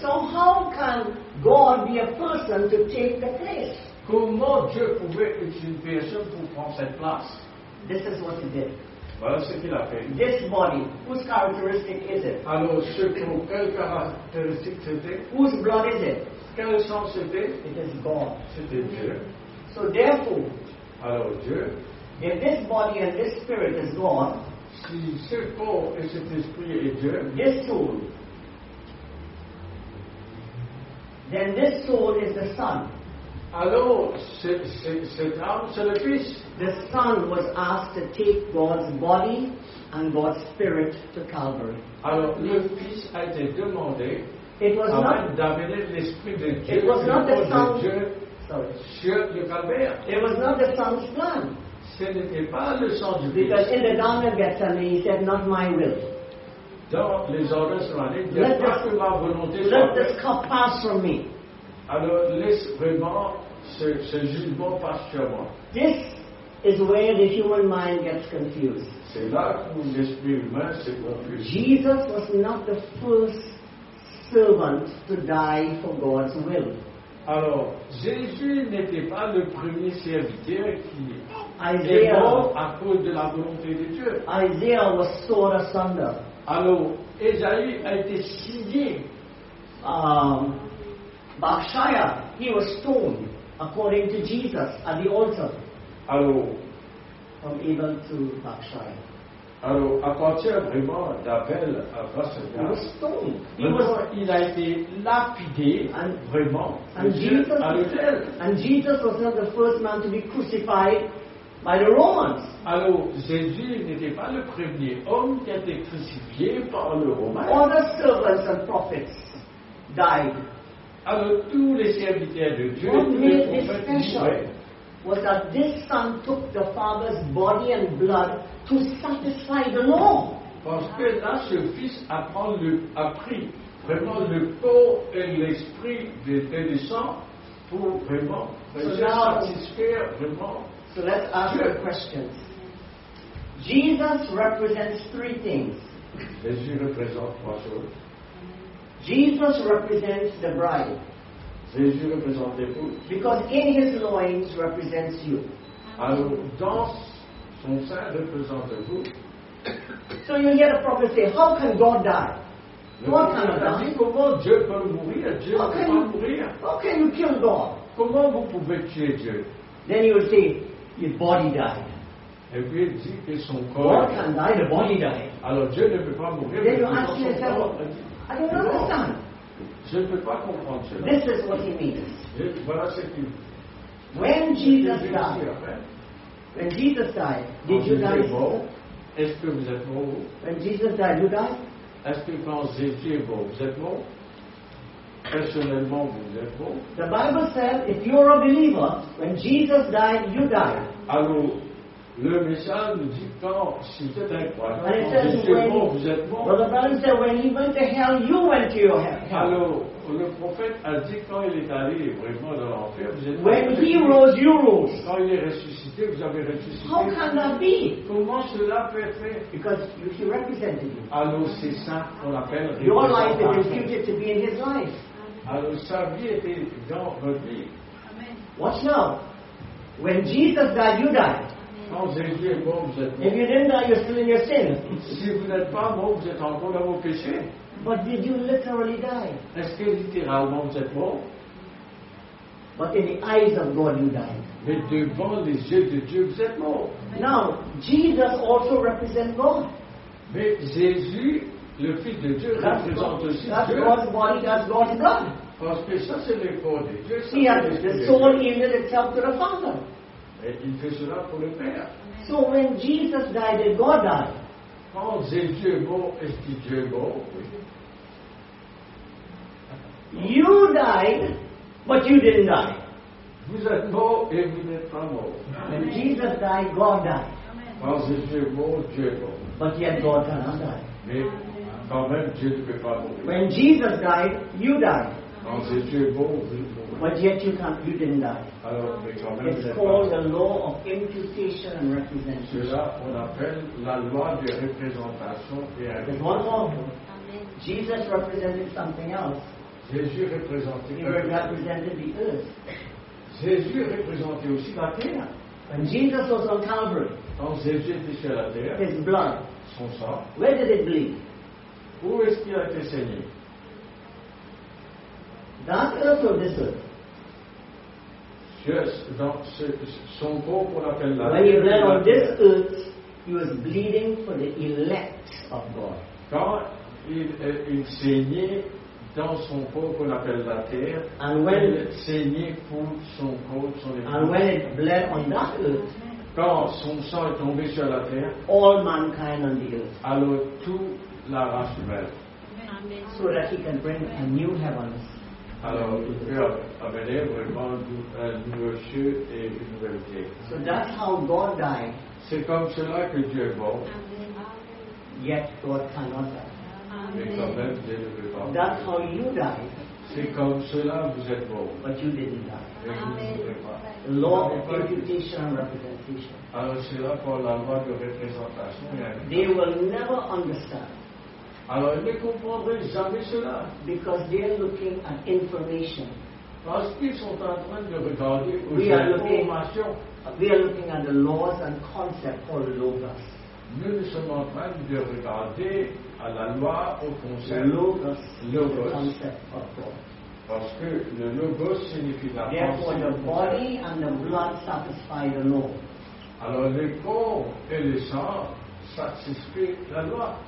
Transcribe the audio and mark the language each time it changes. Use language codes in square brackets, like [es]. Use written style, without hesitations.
[en] So how can God be a person to take the place? [fr] Comment Dieu pouvait être une personne pour prendre cette place? [en] This is what he did. [fr] Voilà ce qu'il a fait. [en] This body, whose characteristic is it? [fr] Alors, ce corps, quelle caractéristique c'était? [en] Whose blood is it? [fr] Quel sang c'était? [en] It is God. [fr] C'était Dieu. [en] So therefore, [fr] alors Dieu, [en] if this body and this spirit is God, [fr] si ce corps et cet esprit est Dieu, [en] this soul, then this soul is the Son. [fr] Alors, cette âme, c'est le Fils. [en] The Son was asked to take God's body and God's spirit to Calvary. [fr] Alors, le Fils a été demandé avant d'amener l'Esprit de Dieu, [en] it was not the Son, [fr] Dieu sur le Calvaire. [en] It was not the Son's plan. [fr] Ce n'était pas le sang du Fils. [en] Because in the Garden of Gethsemane, he said, not my will. [fr] Dans les ordres surannées, il n'y a pas que ma volonté. [en] Let this cup pass from me. [fr] Alors laisse vraiment ce jugement passer sur moi. [en] This is where the human mind gets confused. [fr] C'est là où l'esprit humain se confuse. [en] Jesus was not the first servant to die for God's will. [fr] Alors, Jésus n'était pas le premier serviteur qui est mort à cause de la volonté de Dieu. [en] Isaiah was sawn asunder. [fr] Alors, Esaïe a été scié. [en] Bakshaya, he was stoned according to Jesus at the altar. [fr] Alors, [en] from Abel to Bakshaya. [fr] Alors, à partir vraiment d'Abel à Bakshaya, il a été lapidé [en] and, [fr] vraiment. [en] And Jesus was not the first man to be crucified by the Romans. [fr] Alors, Jésus n'était pas le premier homme qui a été crucifié par les Romains. [en] All the servants and prophets died. [fr] Alors, tous les serviteurs de Dieu, [en] what [fr] tous les prophètes [en] died. Was that this son took the father's body and blood to satisfy the law? [fr] Parce que là, ce fils a pris vraiment le corps et l'esprit des sang pour vraiment satisfaire vraiment. [en] So let's ask a question. Jesus represents three things. [fr] Jésus représente trois choses. [en] Jesus represents the bride. [fr] Jésus représente l'épouse. [en] Because in his loins represents you. [fr] Alors, dans son sein représente vous. [en] So you hear the prophet say, how can God die? What kind of God? [fr] Comment Dieu peut mourir? Dieu ne peut pas mourir. [en] How can you kill God? [fr] Comment vous pouvez tuer Dieu? [en] Then you will say, his body died. [fr] Et puis il dit que son corps. [en] God can die, the body died. [fr] Alors Dieu ne peut pas mourir. [en] Then you ask yourself, I don't understand. [fr] Je ne peux pas comprendre cela. [en] This is what he means. [fr] Et voilà ce qu'il dit. [en] When Jesus died, when Jesus died, did you die? [fr] Est-ce que vous êtes mort? [en] When Jesus died, you died? [fr] Est-ce que quand Jésus est mort, vous êtes mort? Personnellement, vous êtes mort? [en] The Bible says, if you're a believer, when Jesus died, you died. [fr] Alors, le message nous dit quand si vous êtes un croyant, quand Jésus est mort, vous êtes mort. [en] But the Bible says, when he went to hell, you went to your hell. [fr] Alors, le prophète a dit quand il est allé vraiment dans l'enfer, vous êtes [en] when [fr] mort. [en] When he rose, you rose. [fr] Quand il est ressuscité, vous avez ressuscité. [en] How can that be? [fr] Comment cela peut être fait? [en] Because he represented you. [fr] Alors, c'est ça qu'on appelle [en] your life is imputed to be in his life. [fr] Alors, sa vie était dans votre vie. [en] Watch now. When Jesus died, you died. [fr] Quand Jésus est mort, vous êtes mort. [en] If you didn't die, you're still in your sin. [fr] Si vous n'êtes pas mort, vous êtes encore dans vos péchés. [en] But did you literally die? [fr] Est-ce que littéralement vous êtes mort? [en] But in the eyes of God, you died. [fr] Mais devant les yeux de Dieu, vous êtes mort. [en] Now, Jesus also represents God. [fr] Mais Jésus, le Fils de Dieu, [en] that's [fr] représente [en] God, [fr] aussi [en] that's [fr] Dieu. [en] God's body, that's God's God. [fr] Parce que ça, c'est le corps de Dieu. [en] He has the soul yielded itself to the Father. [fr] Et il fait cela pour le Père. So when Jesus died, did God die? Quand Jésus est mort, est-ce que Dieu est mort? Oui. [en] You died, but you didn't die. [fr] Vous êtes mort et vous n'êtes pas mort. [en] When Jesus died, God died. [fr] Quand Jésus est mort, Dieu est mort. [en] But yet God cannot die. [fr] Mais quand même Dieu ne peut pas mourir. [en] When Jesus died, you died. [fr] Quand Jésus est mort, vous êtes mort. [en] But yet you didn't die. [fr] Alors, [en] it's called the law of imputation and representation. [fr] Cela, on appelle la loi de représentation et [en] imputation. But one more. Jesus represented something else. [fr] Jésus représentait [en] He represented the earth. [fr] Jésus représentait aussi la terre. [en] When Jesus was on Calvary, [fr] quand Jésus était sur la terre, [en] his blood, [fr] son sang, [en] where did it bleed? [fr] Où est-ce qu'il a été saigné? [en] That earth or this earth? Yes, [fr] dans son corps pour appeler la terre. [en] When he bled on this earth, he was bleeding for the elect of God. [fr] Quand il saignait dans son corps qu'on appelle la terre, [en] and when [fr] il saignait pour son corps, son épouse. [en] And when it bled on that earth, [fr] quand son sang est tombé sur la terre, [en] all mankind on the earth. [fr] Alors toute la race humaine. [en] So that he can bring a new heavens. [fr] Alors, il peut amener vraiment un nouveau ciel et une nouvelle terre. [en] So that's how God died. [fr] C'est comme cela que Dieu est mort. [en] Yet God cannot die. Amen. That's how you died. [fr] C'est comme cela vous êtes mort. [en] But you didn't die. Amen. Law of imputation and representation. [fr] Alors c'est là pour la loi de représentation. [en] They will never understand. [fr] Alors ils ne comprendraient jamais cela. [en] Because they are looking at information. [fr] Parce qu'ils sont en train de regarder aux informations. [en] We are looking at the laws and concepts called logos. [fr] Nous sommes en train de regarder à la loi au concept. [en] Logos. The concept of God. [fr] Parce que le logos signifie la [en] Therefore, The body and the blood satisfy the law. [fr] Alors le corps et le sang satisfait la loi.